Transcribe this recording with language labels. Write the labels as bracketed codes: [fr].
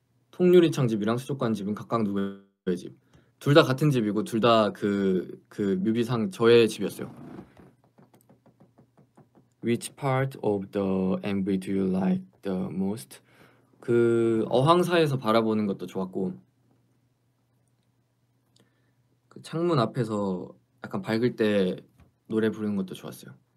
[ko] 통유리창 집이랑 수족관 집은 각각 누구의 집? 둘다 같은 집이고 둘다그 뮤비상 저의 집이었어요. [en] Which part of the MV do you like the most? [ko] 그 어항사에서 바라보는 것도 좋았고. 창문 앞에서 약간 밝을 때 노래 부르는 것도 좋았어요.